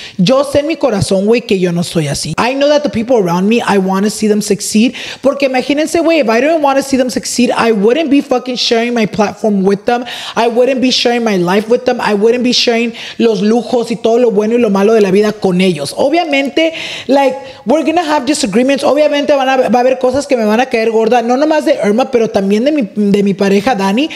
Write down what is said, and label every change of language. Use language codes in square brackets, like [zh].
[es] Yo sé mi corazón, güey, que yo no soy así. [en] I know that the people around me, I want to see them succeed. [es] Porque imagínense, güey, [en] if I didn't want to see them succeed, I wouldn't be fucking sharing my platform with them. I wouldn't be sharing my life with them. I wouldn't be sharing [es] los lujos y todo lo bueno y lo malo de la vida con ellos. Obviamente, like, [en] we're going to have disagreements. [es] Obviamente, va a haber cosas que me van a caer gorda. No nomás de Irma, pero también de mi pareja, Dani.